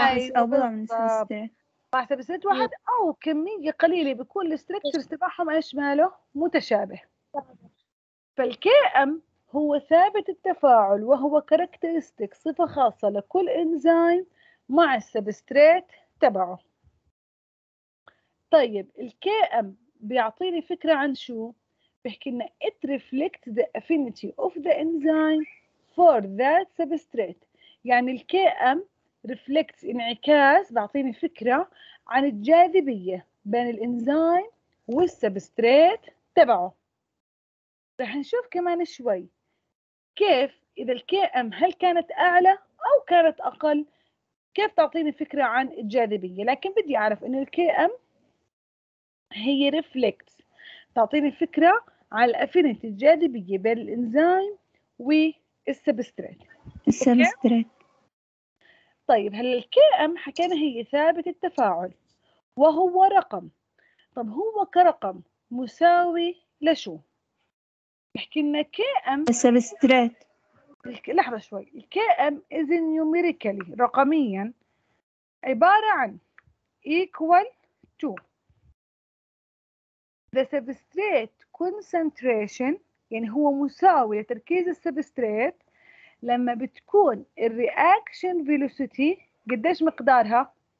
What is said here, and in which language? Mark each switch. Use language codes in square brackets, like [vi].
[ar] من سبستريت واحد أو كمية قليلة بكل الستركتر تبعهم إيش ماله؟ متشابه. فالـ Km هو ثابت التفاعل وهو كاركترستيك صفة خاصة لكل إنزيم مع السبستريت تبعه. طيب الـ Km بيعطيني فكرة عن شو؟ بيحكي لنا [en] it reflects the affinity of the enzyme for that substrate. [ar] يعني الـ Km reflects انعكاس بيعطيني فكرة عن الجاذبية بين الإنزيم والسبستريت تبعه. رح نشوف كمان شوي كيف إذا الـ Km هل كانت أعلى أو كانت أقل كيف تعطيني فكرة عن الجاذبية. لكن بدي أعرف إن الـ Km هي reflect تعطيني فكرة على الأفينيتي الجاذبية بين الإنزيم والسبستريت. السبستريت طيب هل الـ Km حكينا هي ثابت التفاعل وهو رقم. طب هو كرقم مساوي لشو؟ يحكي لنا Km السبستريت. لحظة شوي، الـ [en] Km is numerically [ar] رقميا عبارة عن [en] equal to the substrate concentration. [ar] يعني هو مساوي لتركيز السبستريت لما بتكون الرياكشن فيلوسيتي قديش مقدارها؟